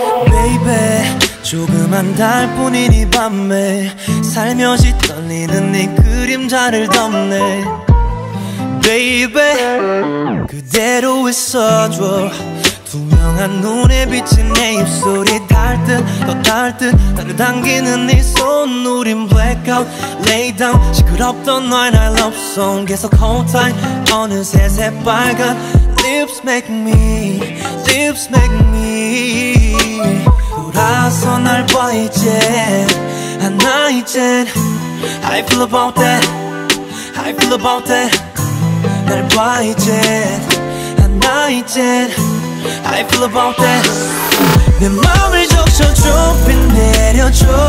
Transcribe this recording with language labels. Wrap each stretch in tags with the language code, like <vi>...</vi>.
<ko>Baby, 조그만 달뿐인 이 밤에 살며시 떨리는 네 그림자를 덮네. Baby, 그대로 있어줘. 투명한 눈에 비친 내 입술이 달듯 더 달듯 나를 당기는 네 손.</ko> <en>우린 blackout, lay down.</en> <ko>시끄럽던 너의 날</ko> <en>love song</en> <ko>계속</ko> <en>hold tight.</en> <ko>어느새 새빨간</ko> <en>lips make me, lips make me.</en> <ko>돌아서 날 봐 이제 하나 이젠.</ko> <en>How you feel about that? How you feel about that?</en> <ko>날 봐 이젠 하나 이젠.</ko> <en>How you feel about that?</en> <ko>내 맘을 적셔줘 비 내려줘.</ko>